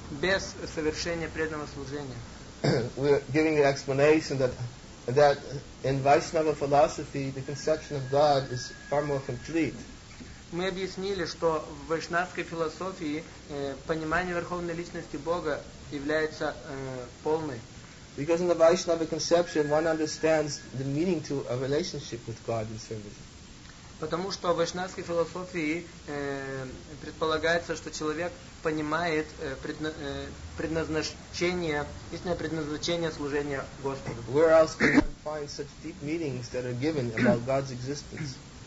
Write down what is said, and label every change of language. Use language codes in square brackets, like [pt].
[ru] Без совершения преданного служения. [en] We're giving an explanation that in Vaishnava philosophy the conception of God is far more complete. [ru] Мы объяснили, что в вайшнавской философии понимание Верховной Личности Бога является полным. [en] Because in the Vaishnava conception one understands the meaning to a relationship with God in service. [ru] Потому что в вайшнавской философии предполагается, что человек понимает предназначение, истинное предназначение служения Господу. [en] Where else can one find such deep meanings that are given about God's existence?